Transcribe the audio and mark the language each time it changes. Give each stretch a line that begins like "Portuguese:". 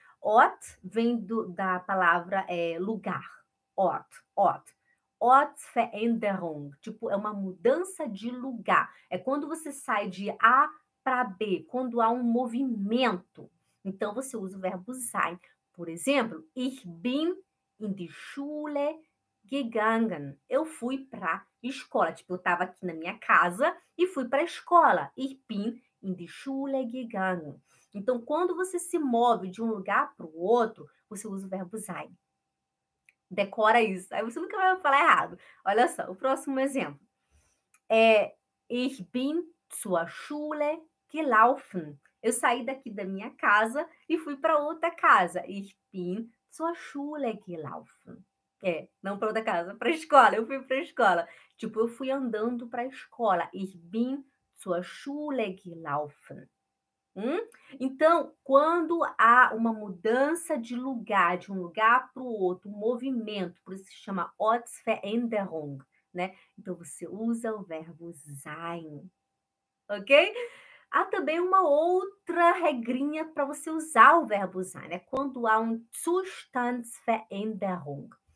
Portuguese: Ort vem da palavra lugar. Ort, ort. Ortsveränderung. Tipo, é uma mudança de lugar. É quando você sai de A para B, quando há um movimento. Então, você usa o verbo sein. Por exemplo,
German: ich bin in die Schule gegangen.
Portuguese: Eu fui para escola. Tipo, eu estava aqui na minha casa e fui para a escola.
German: Ich bin in die Schule gegangen.
Portuguese: Então, quando você se move de um lugar para o outro, você usa o verbo sein. Decora isso. Aí você nunca vai falar errado. Olha só, o próximo exemplo.
German: Ich bin zur Schule gelaufen.
Portuguese: Eu saí daqui da minha casa e fui para outra casa.
German: Ich bin zur Schule gelaufen.
Portuguese: Não para outra casa, para a escola. Eu fui para a escola. Tipo, eu fui andando para a escola.
German: Ich bin zur Schule gelaufen.
Portuguese: Então, quando há uma mudança de lugar, de um lugar para o outro, um movimento, por isso se chama Ortsveränderung, né? Então, você usa o verbo sein. Ok? Há também uma outra regrinha para você usar o verbo sein, é quando há um Zustandsveränderung.